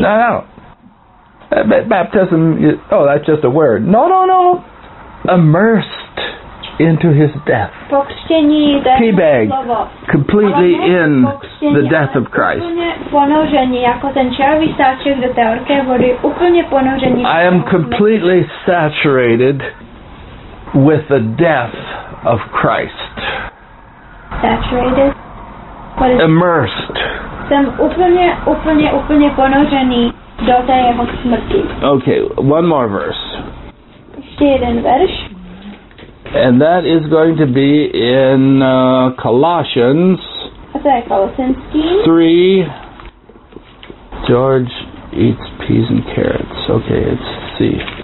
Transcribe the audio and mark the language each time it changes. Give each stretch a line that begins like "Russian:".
English: No. Baptism, that's just a word. No. Immersed into his death.
Czech: Pokřtění, to je slovo.
English: Completely in the death of Christ.
Czech: Úplně ponoření, jako ten červý sáček do té horké vody, úplně ponoření.
English: I am completely saturated with the death of Christ. Saturated? Immersed.
Czech: Jsem úplně ponoření do té jeho smrti.
English: Okay, one more verse.
Czech: Ještě jeden verš.
English: And that is going to be in Colossians 3. George eats peas and carrots. Okay, it's C.